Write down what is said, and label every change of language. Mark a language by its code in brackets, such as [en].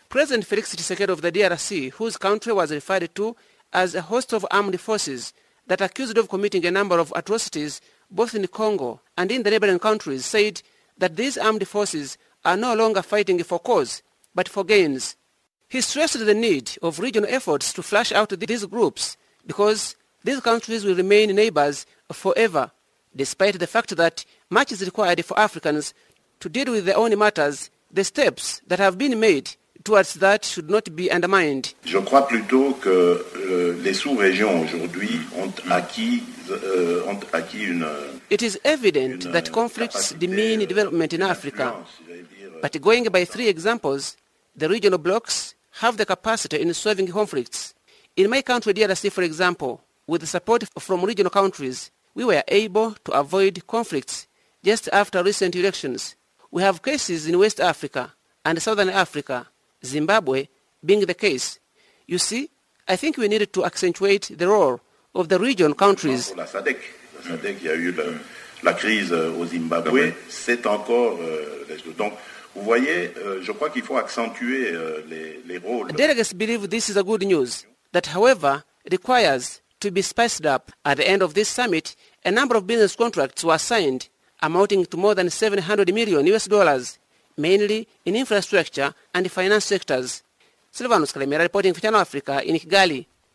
[en] President Felix Tshisekedi of the DRC, whose country was referred to as a host of armed forces that accused of committing a number of atrocities both in Congo and in the neighboring countries, said that these armed forces are no longer fighting for cause, but for gains. He stressed the need of regional efforts to flush out these groups because these countries will remain neighbors forever, despite the fact that much is required for Africans to deal with their own matters. The steps that have been made towards that should not be undermined. [fr] Je crois plutôt que les sous-régions aujourd'hui ont acquis une. [en] It is evident that conflicts demean development in Africa. But going by three examples, the regional blocs have the capacity in solving conflicts. In my country, DRC, for example, with the support from regional countries, we were able to avoid conflicts just after recent elections. We have cases in West Africa and Southern Africa, Zimbabwe being the case. You see, I think we need to accentuate the role of the region countries. [fr] La SADC, il y a eu la crise au Zimbabwe. C'est encore... Donc, vous voyez, je crois qu'il faut accentuer les rôles. [en] Delegates believe this is a good news that, however, requires to be spiced up. At the end of this summit, a number of business contracts were signed, amounting to more than $700 million, mainly in infrastructure and finance sectors. Silvanus Kalemera reporting for Channel Africa in Kigali.